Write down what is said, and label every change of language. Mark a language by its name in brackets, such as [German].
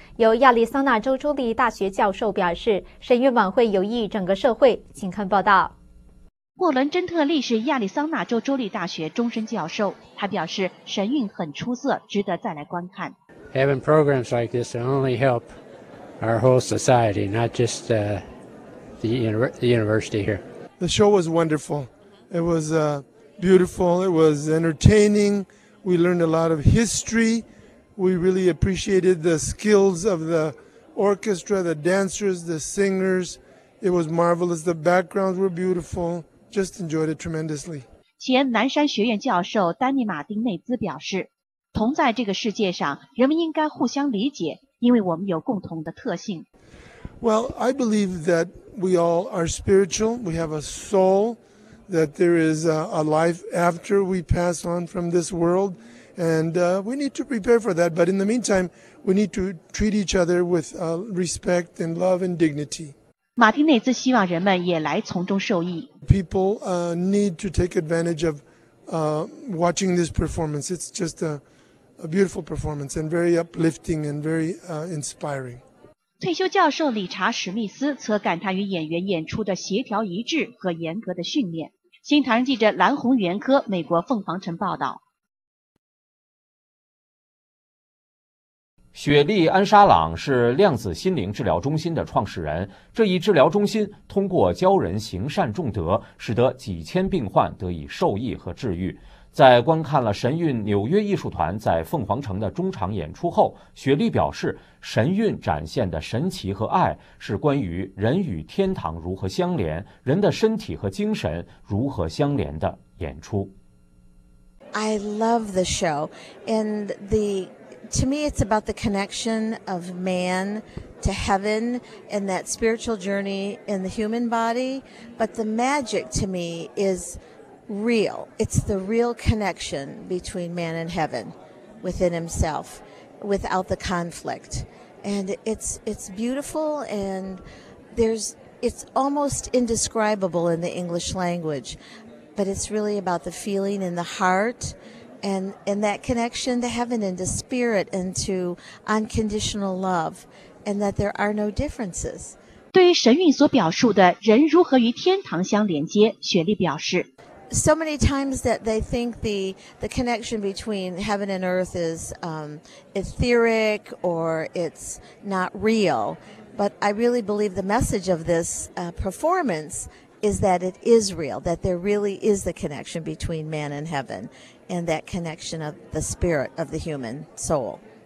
[Chinese] 由亚利桑那州州立大学教授表示，神韵晚会有益整个社会。请看报道。沃伦·珍特利是亚利桑那州州立大学终身教授，他表示神韵很出色，值得再来观看。 [English] Having programs like this only help our whole society, not just the university here. The show was wonderful. It was beautiful. It was entertaining. We learned a lot of history. We really appreciated the skills of the orchestra, the dancers, the singers. It was marvelous. The backgrounds were beautiful. Just enjoyed it tremendously. [Chinese] 前南山学院教授丹尼·马丁内兹表示，同在这个世界上，人们应该互相理解，因为我们有共同的特性。 [English] Well, I believe that we all are spiritual, we have a soul, that there is a life after we pass on from this world, and we need to prepare for that, but in the meantime, we need to treat each other with respect and love and dignity. [Chinese] 马丁内兹希望人们也来从中受益。 [English] People need to take advantage of watching this performance. It's just a beautiful performance and very uplifting and very inspiring. [Chinese] 退休教授理查·史密斯则感叹于演员演出的协调一致和严格的训练。新唐人记者蓝红、袁科，美国凤凰城报道。雪莉·安沙朗是量子心灵治疗中心的创始人，这一治疗中心通过教人行善重德，使得几千病患得以受益和治愈。在观看了神韵纽约艺术团在凤凰城的中场演出后，雪莉表示，神韵展现的神奇和爱是关于人与天堂如何相连，人的身体和精神如何相连的演出。 [English] I love the show, and to me it's about the connection of man to heaven and that spiritual journey in the human body, but the magic to me is. Real. It's the real connection between man and heaven within himself without the conflict. And it's beautiful and it's almost indescribable in the English language, but it's really about the feeling in the heart and that connection to heaven and to spirit and to unconditional love and that there are no differences. [Chinese] 对于神韵所表述的人如何与天堂相连接，雪莉表示 [English] So many times that they think the connection between heaven and earth is etheric or it's not real. But I really believe the message of this performance is that it is real, that there really is the connection between man and heaven and that connection of the spirit of the human soul.